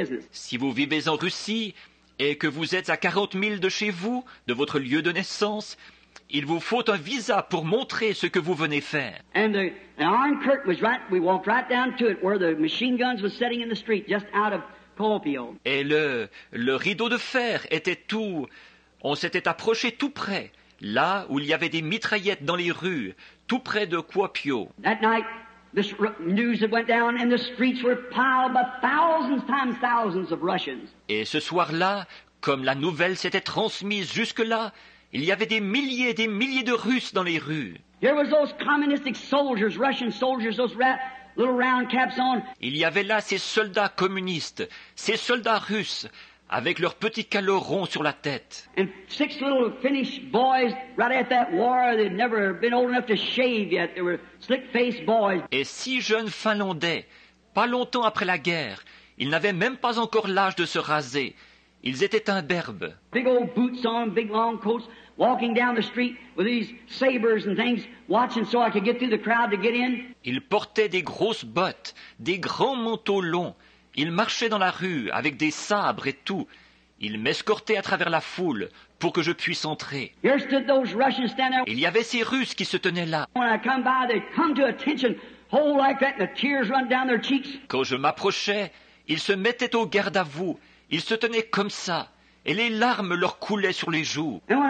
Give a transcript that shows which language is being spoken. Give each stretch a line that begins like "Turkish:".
French: Si vous vivez en Russie et que vous êtes à 40 milles de chez vous, de votre lieu de naissance, il vous faut un visa pour montrer ce que vous venez faire.
English: And the iron curtain was right, we walked right down to it where the machine guns were sitting in the street just out of Kuopio.
French: Et le rideau de fer était tout, on s'était approché tout près, là où il y avait des mitraillettes dans les rues, tout près de Kuopio.
English: That night, the news had went down and the streets were piled by thousands times thousands of Russians.
French: Et ce soir-là, comme la nouvelle s'était transmise jusque-là, il y avait des milliers de Russes dans les rues.
English: There was those communistic soldiers, Russian soldiers, those little round caps on.
French: Il y avait là ces soldats communistes, ces soldats russes, avec leurs petits calots ronds sur la tête.
English: And six little Finnish boys, right at that war, they'd never been old enough to shave yet. They were slick-faced boys.
French: Et six jeunes Finlandais, pas longtemps après la guerre, ils n'avaient même pas encore l'âge de se raser. Ils étaient imberbes.
English: Big old boots on, big long coats, walking down the street with these sabers and things, watching so I could get through the crowd to get in.
French: Ils portaient des grosses bottes, des grands manteaux longs. Ils marchaient dans la rue avec des sabres et tout. Ils m'escortaient à travers la foule pour que je puisse entrer.
English: Here stood those Russians standing there.
French: Il y avait ces Russes qui se tenaient là.
English: When I come by, they come to attention, whole like that, and the tears run down their cheeks.
French: Quand je m'approchais, ils se mettaient au garde à vous. Ils se tenaient comme ça, et les larmes leur coulaient sur les joues.